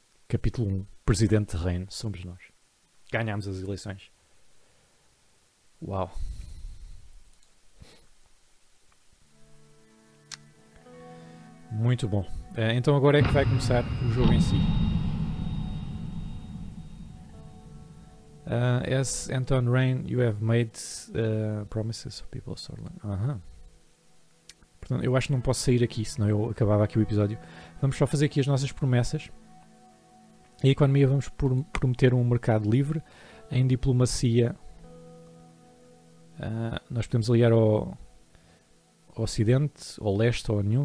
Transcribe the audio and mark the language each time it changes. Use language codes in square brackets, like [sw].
[pt] Capítulo 1. Presidente de Reino. Somos nós. Ganhámos as eleições. Uau. Muito bom. Então agora é que vai começar o jogo em si. [en] As Anton Rain, you have made promises of people of Sorland. [pt] Portanto, eu acho que não posso sair aqui, senão eu acabava aqui o episódio. Vamos só fazer aqui as nossas promessas. E a economia, vamos prometer um mercado livre, em diplomacia. Nós podemos aliar ao Ocidente, ao Leste ou a nenhum.